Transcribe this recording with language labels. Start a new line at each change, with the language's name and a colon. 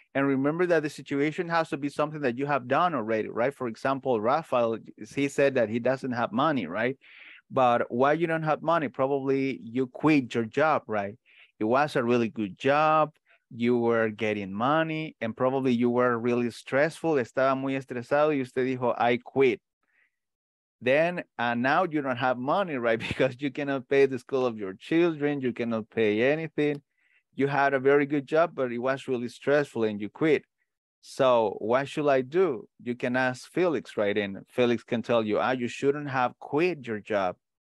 English: And remember that the situation has to be something that you have done already, right? For example, Rafael, he said that he doesn't have money, right? But why you don't have money? Probably you quit your job, right? It was a really good job. You were getting money and probably you were really stressful.
Spanish: Estaba muy estresado y usted dijo,
English: I quit. Then, now you don't have money, right? Because you cannot pay the school of your children. You cannot pay anything. You had a very good job, but it was really stressful and you quit. So what should I do? You can ask Felix, right? And Felix can tell you, you shouldn't have quit your job.